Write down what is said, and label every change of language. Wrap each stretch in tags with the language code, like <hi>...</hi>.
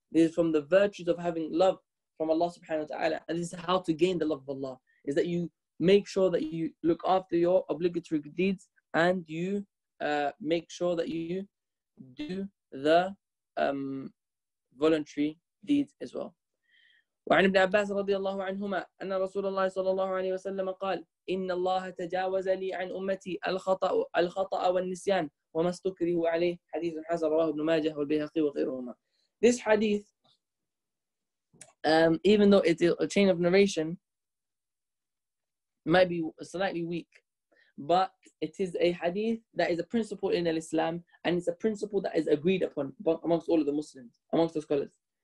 <en>This is from the virtues of having love from Allah subhanahu wa ta'ala. And this is how to gain the love of Allah. Is that you make sure that you look after your obligatory deeds and you make sure that you do the voluntary deeds as well.</en> <ar>وعن ابن عباس رضي الله عنهما أن رسول الله صلى الله عليه وسلم قال إن الله تجاوز لي عن أمتي الخطأ والنسيان وما استكره عليه حديث حسن رواه ابن ماجه والبيهقي وغيرهما.</ar> <en>This hadith, even though it's a chain of narration, might be slightly weak, but it is a hadith that is a principle in Islam, and it's a principle that is agreed upon amongst all of the Muslims, amongst the scholars.</en>